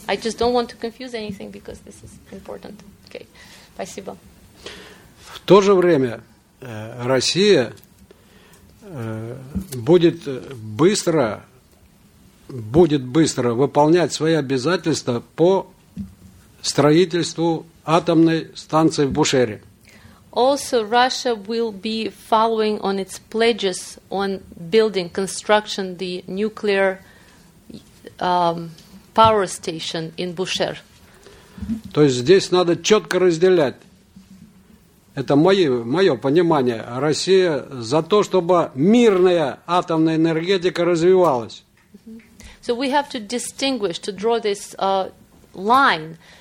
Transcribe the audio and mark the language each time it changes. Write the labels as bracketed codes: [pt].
[en] I just don't want to confuse anything because this is important. Okay. [ru] Спасибо. В то же время Россия будет быстро выполнять свои обязательства по строительству атомной станции в Бушере. [en] Also, Russia will be following on its pledges on building construction the nuclear power station in Bushehr. [ru] То есть здесь надо четко разделять. Это мое понимание. Россия за то, чтобы мирная атомная энергетика развивалась. [en] So we have to distinguish, to draw this line.